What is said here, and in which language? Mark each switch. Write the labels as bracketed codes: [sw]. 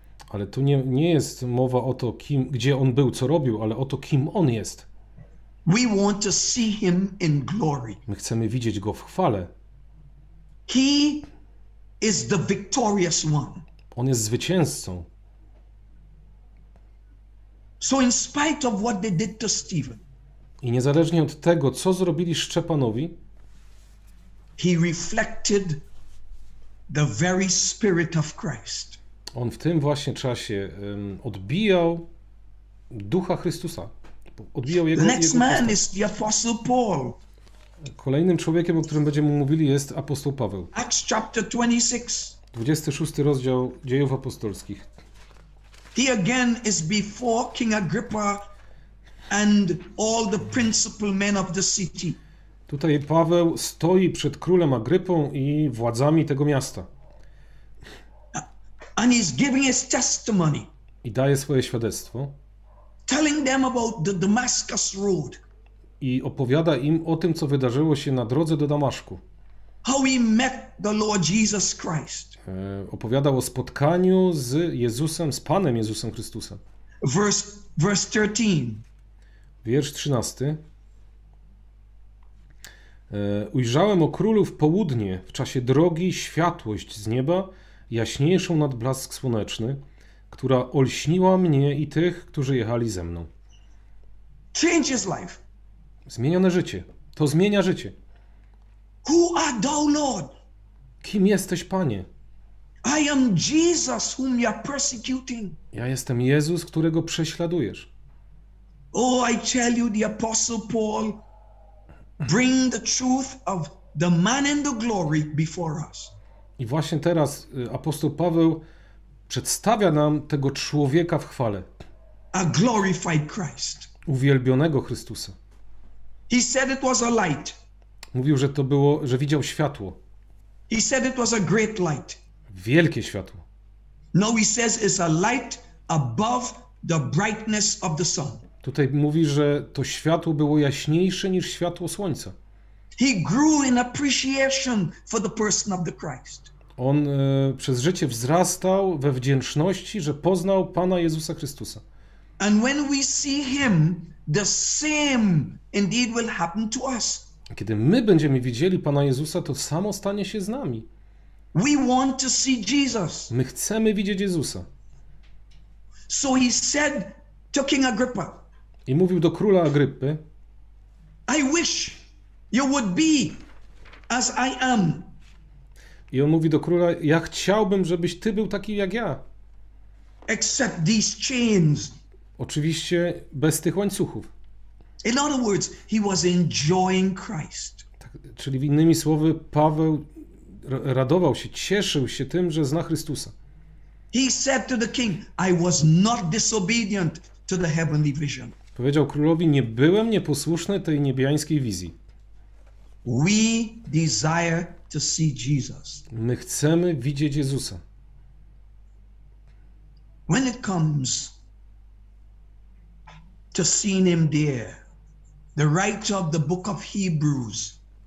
[pl] Ale tu nie jest mowa o to, kim, gdzie on był, co robił, ale o to, kim on jest. [en] We want to see him in glory. [pl] My chcemy widzieć go w chwale. [en] He is the victorious one. [pl] On jest zwycięzcą. [en] So in spite of what they did to Stephen, [pl] i niezależnie od tego, co zrobili Szczepanowi, [en] he reflected the very spirit of Christ. [pl] On w tym właśnie czasie odbijał Ducha Chrystusa. Odbijał jego, [en] next [pl] jego [en] man is the Apostle Paul. [pl] Kolejnym człowiekiem, o którym będziemy mówili, jest apostoł Paweł. [en] Acts chapter 26. [pl] 26 rozdział Dziejów Apostolskich. [en] He again is before King Agrippa and all the principal men of the city. [pl] Tutaj Paweł stoi przed królem Agrypą i władzami tego miasta. [en] And he's giving his testimony. [pl] I daje swoje świadectwo. [en] Telling them about the Damascus road. [pl] I opowiada im o tym, co wydarzyło się na drodze do Damaszku. [en] How he met the Lord Jesus Christ. [pl] Opowiadał o spotkaniu z Jezusem, z Panem Jezusem Chrystusem. [en] Verse 13. [pl] Wiersz 13. Ujrzałem o królu w południe, w czasie drogi, światłość z nieba, jaśniejszą nad blask słoneczny, która olśniła mnie i tych, którzy jechali ze mną. [en] Change his life. [pl] Zmienione życie. To zmienia życie. [en] Who are thou, Lord? [pl] Kim jesteś, Panie? [en] I am Jesus whom you are persecuting. [pl] Ja jestem Jezus, którego prześladujesz. [en] Oh, I tell you, the Apostle Paul bring the truth of the man in the glory before us. [pl] I właśnie teraz apostoł Paweł przedstawia nam tego człowieka w chwale. [en] A glorified Christ. [pl] Uwielbionego Chrystusa. [en] He said it was a light. [pl] Mówił, że to było, że widział światło. [en] He said it was a great light. [pl] Wielkie światło. [en] No, he says it's a light above the brightness of the sun. [pl] Tutaj mówi, że to światło było jaśniejsze niż światło słońca. [en] He grew in appreciation for the person of the Christ. [pl] On przez życie wzrastał we wdzięczności, że poznał Pana Jezusa Chrystusa. [en] And when we see him, the same indeed will happen to us. [pl] Kiedy my będziemy widzieli Pana Jezusa, to samo stanie się z nami. [en] We want to see Jesus. [pl] My chcemy widzieć Jezusa. [en] So he said to King Agrippa. [pl] I mówił do króla Agrypy. [en] I wish you would be as I am. [pl] I on mówi do króla, ja chciałbym, żebyś ty był taki jak ja. [en] Except these chains. [pl] Oczywiście bez tych łańcuchów. [en] In other words, he was enjoying Christ. [pl] Tak, czyli innymi słowy, Paweł radował się, cieszył się tym, że zna Chrystusa. [en] He said to the king, I was not disobedient to the heavenly vision. [pl] Powiedział królowi, nie byłem nieposłuszny tej niebiańskiej wizji. [en] We desire to see Jesus. [pl] My chcemy widzieć Jezusa. [en] When it comes to seeing him there, the writer of the book of Hebrews.